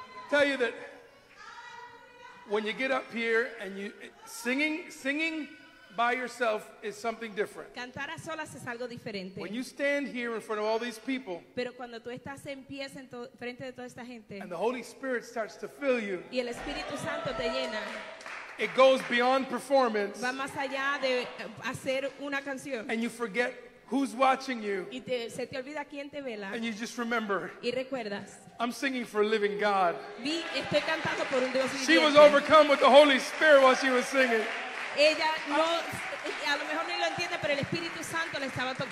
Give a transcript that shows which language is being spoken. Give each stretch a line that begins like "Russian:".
English: That when you get up here and you singing by yourself is something different.
Spanish: Cantar a solas es algo diferente.
English: When you stand here in front of all these people,
Spanish: pero cuando tú estás en pie frente de toda esta gente,
English: and the Holy Spirit starts to fill you,
Spanish: y el Espíritu Santo te llena,
English: it goes beyond performance.
Spanish: Va más allá de hacer una canción.
English: And you forget who's watching you.
Spanish: Y se te olvida quién te vela.
English: And you just remember.
Spanish: Y recuerdas.
English: I'm singing for a living God.
Spanish: Estoy cantando por un Dios viviente.
English: She was overcome with the Holy Spirit while she was singing.
Spanish: Ella no, a lo mejor ni lo entiende, pero el Espíritu Santo le estaba tocando.